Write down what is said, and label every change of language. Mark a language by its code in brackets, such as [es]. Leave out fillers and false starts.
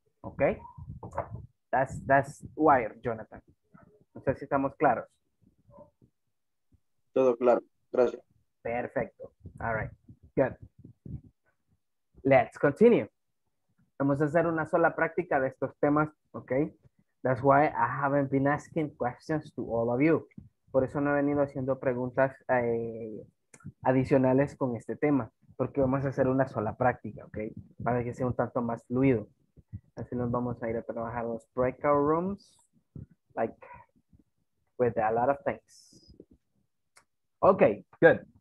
[es] ¿Ok? [en] That's why, [es] Jonathan. No sé si estamos claros. Todo claro. Gracias. Perfecto. [en] All right. Good. Let's continue. [es] Vamos a hacer una sola práctica de estos temas, ¿ok? [en] That's why I haven't been asking questions to all of you. [es] Por eso no he venido haciendo preguntas adicionales con este tema, porque vamos a hacer una sola práctica, ¿ok? Para que sea un tanto más fluido. Así nos vamos a ir a trabajar los breakout rooms, [en] like, with a lot of things. [es] Ok, good.